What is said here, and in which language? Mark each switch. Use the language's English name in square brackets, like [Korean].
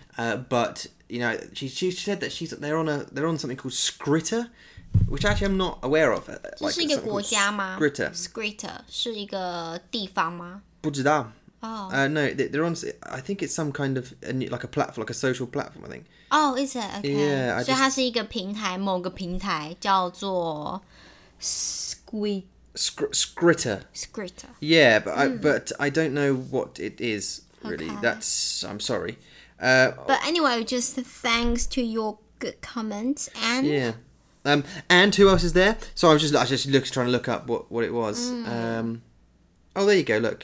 [English] But, she said that they're on something called Skritter, which actually I'm not aware of. [Chinese] Like, 这是一个国家吗? [English] Skritter. [Chinese] Skritter. 是一个地方吗? 不知道. [English] Oh. No, they're on, I think it's some kind of, like a platform, like a social platform, I think. Oh, is it? Okay. Yeah, [Chinese] 所以它是一个平台, 某个平台, 叫做 [English] Skritter. Skritter. Yeah, but I don't know what it is, really. Okay. I'm sorry. But anyway, just thanks to your good comments, and... Yeah. And who else is there? So I was just trying to look up what it was. Mm. Oh, there you go, look.